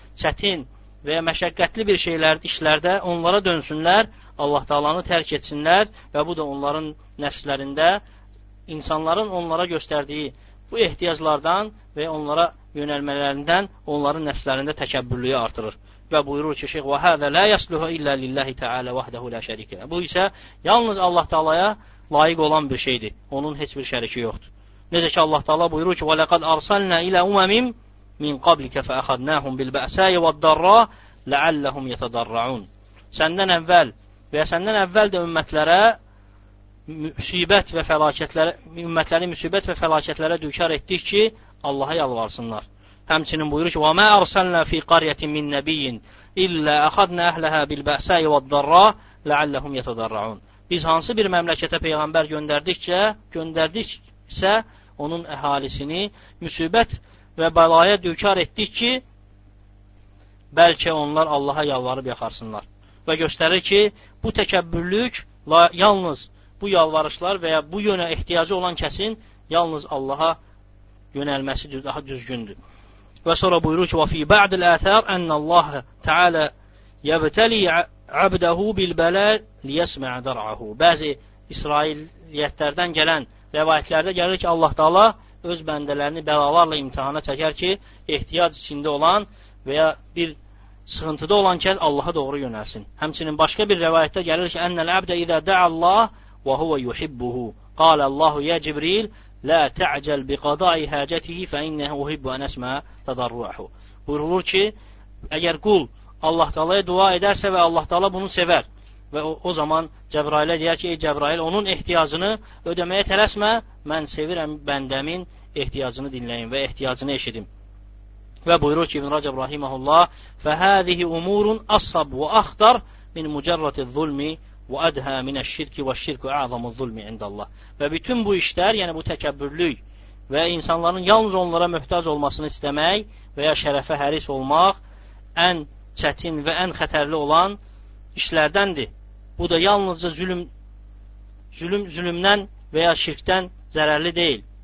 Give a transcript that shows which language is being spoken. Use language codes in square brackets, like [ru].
[az] Çətin və ya məşəqqətli bir şeylərdə, işlərdə onlara dönsünlər, Allah Taalanı tərk etsinlər və bu da onların nəfslərində insanların onlara göstərdiyi bu ehtiyaclardan və onlara yönəlmələrindən onların nəfslərində təkəbbürlüyü artırır. Və buyurur ki, şeyx, [ar] və hədə lə yəsluhu illə lilləhi tə'alə vəhdəhu lə şərikə. [az] Bu isə yalnız Allah Taalaya layiq olan bir şeydir. Onun heç bir şəriki yoxdur. Necə ki, Allah Taala buyurur ki, [ar] və ləqəd arsalnə ilə uməmim min qablikə fəəxadnəhum bilbəəsəyə vəddarrə لعلهم يتضرعون. [az] Səndən əvvəl və ya səndən əvvəl də ümmətlərə müsibət və fəlakətlərə, ümmətləri müsibət və fəlakətlərə düçar etdik ki, Allaha yalvarsınlar. Həmçinin buyurur ki, [ar] وَمَا أَرْسَلْنَا فِي قَرْيَةٍ مِّنْ نَبِيٍّ إِلَّا أَخَذْنَا أَهْلَهَا بِالْبَأْسَاءِ وَالضَّرَّاءِ لَعَلَّهُمْ يَتَضَرَّعُونَ. [az] Biz hansı bir məmləkətə peyğəmbər göndərdiksə, onun əhalisini müsibət və bəlaya düçar etdik ki, bəlkə onlar Allaha yalvarıb yaxarsınlar. Və göstərir ki, bu təkəbbürlük yalnız bu yalvarışlar və ya bu yönə ehtiyacı olan kəsin yalnız Allaha yönəlməsi daha düzgündür. Və sonra buyurur ki, [ar] وَفِي بَعْدِ الْآثَارِ أَنَّ اللَّهَ تَعَالَى يَبْتَلِي عَبْدَهُ بِالْبَلَى لِيَسْمَعَ دَرْعَهُ. [az] Bəzi İsrailiyyətlərdən gələn rəvayətlərdə gəlir ki, Allah Taala öz bəndələrini bəlalarla imtihana çəkər ki, ehtiyac içində olan və ya bir sığıntıda olan kəs Allaha doğru yönəlsin. Həmçinin başqa bir rəvayətdə gəlir ki, [ar] أَنَّ الْعَبْدَ إِذَا دَعَ اللَّهُ وَهُوَ يُحِبُّهُ قَالَ اللَّهُ يَا جِبْرِيلُ لَا تَعْجَلْ بِقَضَاءِ حَاجَتِهِ فَإِنَّهُ يُحِبُّ أَنْ يَسْمَعَ تَضَرُّعَهُ. [az] Buyurulur ki, əgər qul Allah Taalaya dua edərsə və Allah Taala bunu sevər və o zaman Cəbrailə deyər ki, ey Cəbrail, onun ehtiyacını ödəməyə tələsmə, mən sevirəm bəndəmin ehtiyacını dinləyin və ehtiyacını eşidim. Və buyurur ki, [ar] İbn Rəcəb rahimehullah, فَهَذِهِ أُمُورٌ أَصْعَبُ وَأَخْطَرُ مِنْ مُجَرَّدِ الظُّلْمِ وَأَدْهَى مِنَ الشِّرْكِ وَالشِّرْكُ أَعْظَمُ الظُّلْمِ عِنْدَ اللَّهِ. [az] Və bütün bu işlər, yəni bu təkəbbürlük və insanların yalnız onlara möhtac olmasını istəmək və ya şərəfə həris olmaq ən çətin və ən xətərli olan işlərdəndir. Bu da yalnızca zülümdən və ya şirkdən zərərli deyil.